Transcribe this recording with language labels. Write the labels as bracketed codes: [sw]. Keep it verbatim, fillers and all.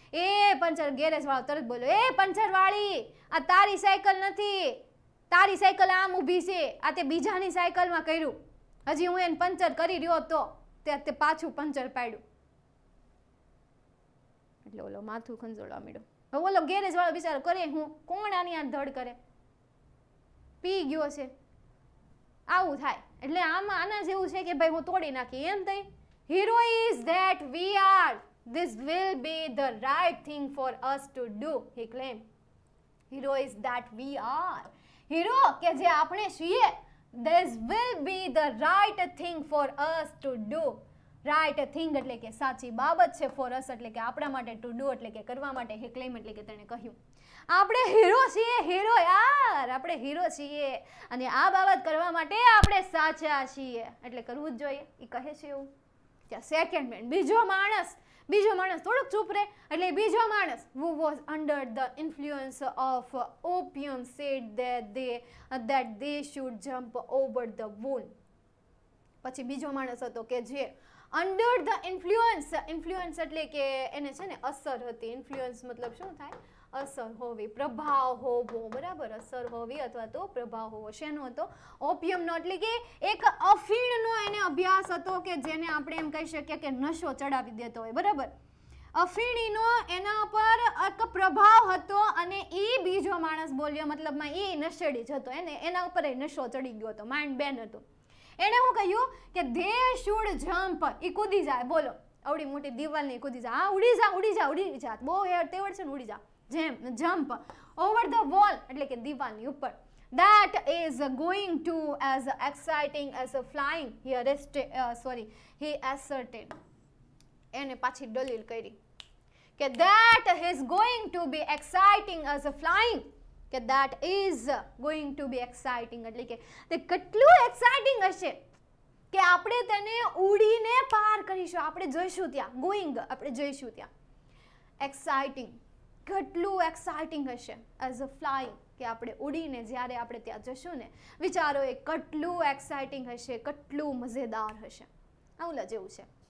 [gu] એ puncture garage વાળો તરત બોલ્યો, એ પંચર વાળી આ તારી સાયકલ નથી, તારી સાયકલ આમ ઊભી છે, આ તે બીજાની સાયકલમાં કર્યું, હજી હું એને પંચર કરી રહ્યો હતો ત્યાં તે પાછું પંચર પાડ્યું. એટલે ઓલો માથું ખંજોળવા માંડ્યો. હવે ઓલો ગેરેજ વાળો બિચારો કરે હું, કોણ આની આ ધડ કરે, પી ગયો છે, આવું થાય. એટલે આમાં આના જેવું છે કે ભાઈ હું તોડી નાખી એમ થઈ. [en] Hero is that we are, this will be the right thing for us to do, he claimed. Hero is that we are, [gu] hero કે જે આપણે છીએ, [en] this will be the right thing for us to do. Right thing [gu] એટલે કે સાચી બાબત છે, [en] for us [gu] એટલે કે આપણા માટે, [en] to do [gu] એટલે કે કરવા માટે, [en] he claim [gu] એટલે કે તેણે કહ્યું આપણે હીરો છીએ. હીરો યાર, આપણે હીરો છીએ અને આ બાબત કરવા માટે આપણે સાચા છીએ, એટલે કરવું જ જોઈએ, એ કહે છે એવું. ત્યાં સેકન્ડ મેન, બીજો માણસ, બીજો માણસ થોડુંક ચૂપ રહે. એટલે બીજો માણસ [en] who was under the influence of opium said that they that they should jump over the wall. [gu] પછી બીજો માણસ હતો કે જે [en] under the influence, [gu] influence એટલે કે એને છે ને અસર હતી. ઇન્ફ્લુઅન્સ મતલબ શું થાય? અસર હોવી, પ્રભાવ હોવો, બરાબર, અસર હોવી અથવા તો પ્રભાવ હોવો. શેનો હતો? ઓપિયમનો, એટલે કે એક અફીણનો એને અભ્યાસ હતો કે જેને આપણે એમ કહી શકીએ કે નશો ચડાવી દેતો હોય, બરાબર. અફીણીનો એના પર એક પ્રભાવ હતો અને એ બીજો માણસ બોલ્યો, મતલબમાં એ નશેડી જ હતો, એને એના ઉપર એ નશો ચડી ગયો હતો, માઇન્ડ બેન હતો. એણે શું કહ્યું કે [en] they should jump, [gu] એ કૂદી જાય. બોલો, આવડી મોટી દિવાલને કૂદી જાય. હા, ઉડી જા, ઉડી જા, ઉડી જા, બહુ હેર તેવડ છે ને, ઉડી જા. જેમ [en] jump over the wall [gu] એટલે કે દિવાલની ઉપર. [en] That is going to as exciting as flying. He arrested, uh, sorry, he asserted. [gu] એને પાછી દલીલ કરી કે [en] that is going to be exciting as flying. [gu] કે [en] that is going to be exciting [gu] એટલે કે તે કેટલું exciting હશે કે આપણે તેને ઉડીને પાર કરીશું. આપણે જઈશું ત્યાં, ગોઈંગ આપણે જઈશું ત્યાં. એક્સાઇટિંગ કેટલું એક્સાઇટિંગ હશે, [en] as a flying [gu] કે આપણે ઉડીને જ્યારે આપણે ત્યાં જશું ને, વિચારો એ કેટલું એક્સાઇટિંગ હશે, કેટલું મજેદાર હશે. આવું જેવું છે.